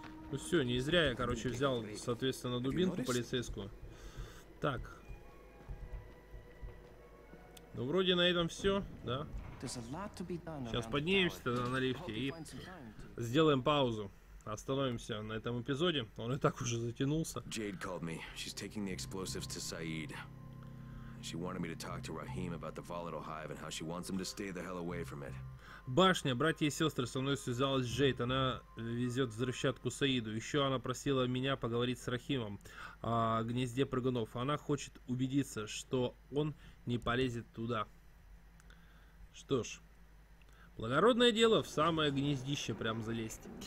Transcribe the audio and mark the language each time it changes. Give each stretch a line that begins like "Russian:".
Russian: Ну все, не зря я, короче, взял, соответственно, дубинку полицейскую. Так. Ну вроде на этом все, да? Сейчас поднимемся тогда на лифте и сделаем паузу. Остановимся на этом эпизоде. Он и так уже затянулся.
English: Jade called me. She's taking the explosives to Saeed. She wanted me to talk to Rahim about the volatile hive and how she wants him to stay the hell away from it.
Russian: Башня, братья и сестры, со мной связалась Джейд. Она везет взрывчатку Саиду. Еще она просила меня поговорить с Рахимом о гнезде прыгунов. Она хочет убедиться, что он не полезет туда. Что ж, благородное дело в самое гнездище прям залезть.